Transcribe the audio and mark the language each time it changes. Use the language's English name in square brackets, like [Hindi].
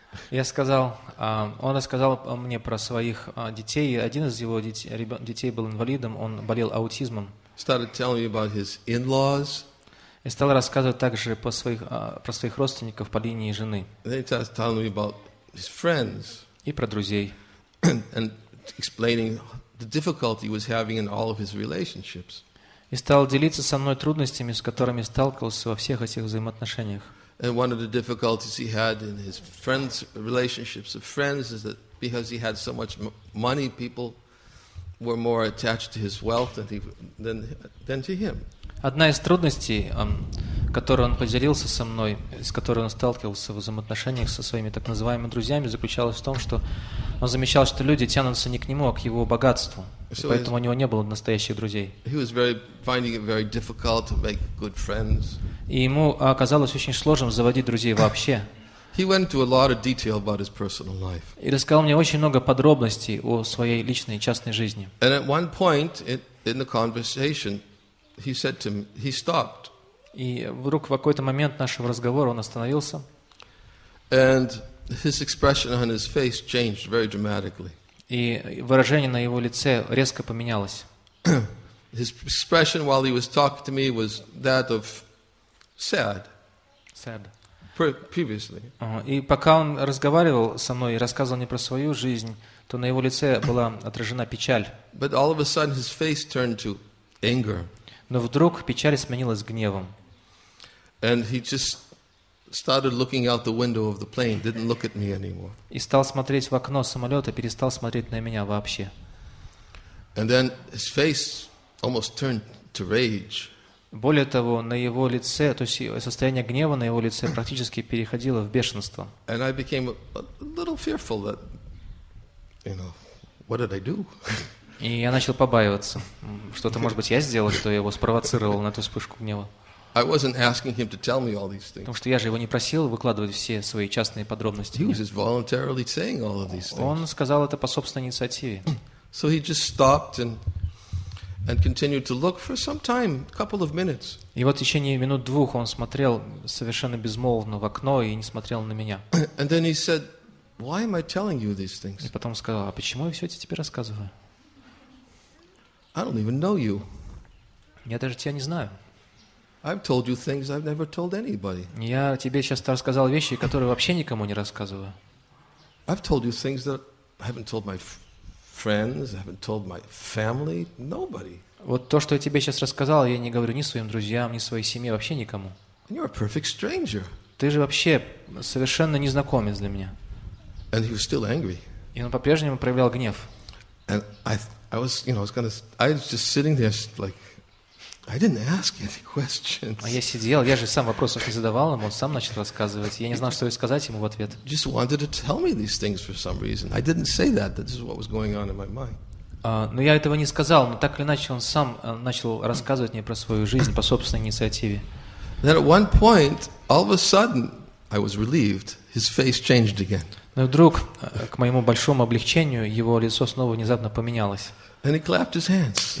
[Russian] Я сказал, он рассказал мне про своих детей. Один из его детей был инвалидом, он болел аутизмом. [English] Started telling me about his in-laws. [Russian] И стал рассказывать также про своих родственников по линии жены. [English] Then he started telling me about his friends. [Russian] И про друзей. [English] And explaining the difficulty he was having in all of his relationships. [Russian] И стал делиться со мной трудностями, с которыми сталкивался во всех этих взаимоотношениях. [English] And one of the difficulties he had in his friends, relationships of friends, is that because he had so much money, people were more attached to his wealth than to him. [Russian] Одна из трудностей, которую он поделился со мной, с которой он сталкивался в взаимоотношениях со своими так называемыми друзьями, заключалась в том, что он замечал, что люди тянутся не к нему, а к его богатству. So поэтому у него не было настоящих друзей. [English] He was finding it very difficult to make good friends. [Russian] И ему оказалось очень сложным заводить друзей вообще. [English] He went into a lot of detail about his personal life. [Russian] И рассказал мне очень много подробностей о своей личной и частной жизни. [English] And at one point in the conversation, he said to me, he stopped. [Russian] И вдруг в какой-то момент нашего разговора он остановился. [English] And his expression on his face changed very dramatically. [Russian] И выражение на его лице резко поменялось. [English] His expression while he was talking to me was that of sad. Sad. Previously. [Russian] И пока он разговаривал со мной и рассказывал мне про свою жизнь, то на его лице была отражена печаль. [English] But all of a sudden his face turned to anger. [Russian] Но вдруг печаль сменилась гневом. [English] And he just started looking out the window of the plane, didn't look at me anymore. [Russian] И стал смотреть в окно самолета, перестал смотреть на меня вообще. [English] And then his face almost turned to rage. [Russian] Более того, на его лице, то есть состояние гнева на его лице практически переходило в бешенство. [English] And I became a little fearful that, you know, what did I do? [Russian] И я начал побаиваться. Что-то, может быть, я сделал, что его спровоцировал на эту вспышку гнева. [English] I wasn't asking him to tell me all these things. [Russian] Потому что я же его не просил выкладывать все свои частные подробности. [English] He was just voluntarily saying all of these things. [Russian] Он сказал это по собственной инициативе. [English] So he just stopped and continued to look for some time, a couple of minutes. [Russian] И вот в течение минут двух он смотрел совершенно безмолвно в окно и не смотрел на меня. [English] And then he said, "Why am I telling you these things?" [Russian] И потом сказал: "А почему я все это тебе рассказываю?" [English] I don't even know you. [Russian] Я даже тебя не знаю. [English] I've told you things I've never told anybody. [Russian] Я тебе сейчас рассказал вещи, которые вообще никому не рассказываю. [English] I've told you things that I haven't told my friends, I haven't told my family, nobody. [Russian] Вот то, что я тебе сейчас рассказал, я не говорю ни своим друзьям, ни своей семье, вообще никому. [English] And you're a perfect stranger. [Russian] Ты же вообще совершенно незнакомец для меня. [English] And he was still angry. [Russian] И он по-прежнему проявлял гнев. [English] And I was just sitting there like, I didn't ask any questions. [Russian] А я сидел, я же сам вопросов не задавал ему, он сам начал рассказывать. Я не знал, что сказать ему в ответ. [English] Just wanted to tell me these things for some reason. I didn't say that. That's what was going on in my mind. [Russian] Но я этого не сказал. Но так или иначе, он сам начал рассказывать мне про свою жизнь по собственной инициативе. [English] Then at one point, all of a sudden, I was relieved. His face changed again. [Russian] Но вдруг, к моему большому облегчению, его лицо снова внезапно поменялось. [English] And he clapped his hands.